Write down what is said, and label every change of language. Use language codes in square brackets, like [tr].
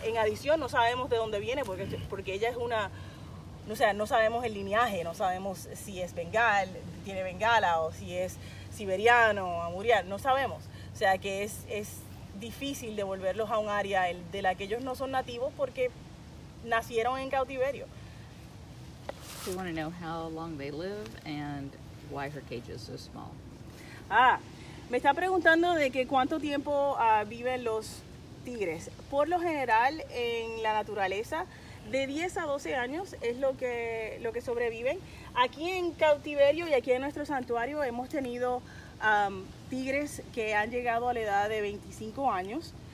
[es] En adición, no sabemos de dónde viene porque ella es una... O sea, no sabemos el linaje, no sabemos si es bengal, tiene bengala, o si es siberiano, amurial, no sabemos. O sea, que es difícil devolverlos a un área de la que ellos no son nativos porque nacieron en cautiverio. [en] We want to know how long they live and why her cage is so small. [es] Ah, me está preguntando de que cuánto tiempo viven los tigres. Por lo general, en la naturaleza, de 10 a 12 años es lo que sobreviven. Aquí en cautiverio y aquí en nuestro santuario hemos tenido tigres que han llegado a la edad de 25 años.